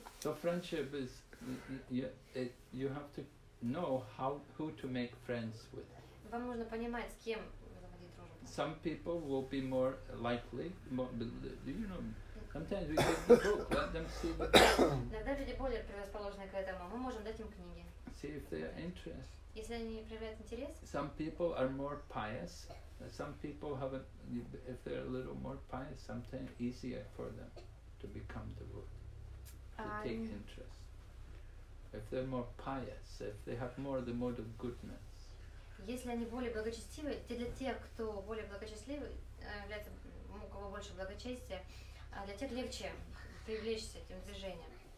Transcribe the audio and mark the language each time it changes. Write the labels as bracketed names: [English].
[English] So friendship is, you have to know who to make friends with. [Russian] Вам нужно понимать, с кем заводить дружбу. [English] Some people will be more likely, sometimes we give the book, let them see the book. [Russian] Иногда люди более предрасположены к этому, мы можем дать им книги. [English] See if they are interested. [Russian] Если они проявляют интерес. [English] Some people are more pious, some people have, if they're a little more pious, sometimes easier for them to become devotee, to take interest. If they're more pious, if they have more the mode of goodness. [Russian] Если они более благочестивы, для тех, кто более благочестивый, является, у кого больше благочестия, для тех легче привлечься этим движением.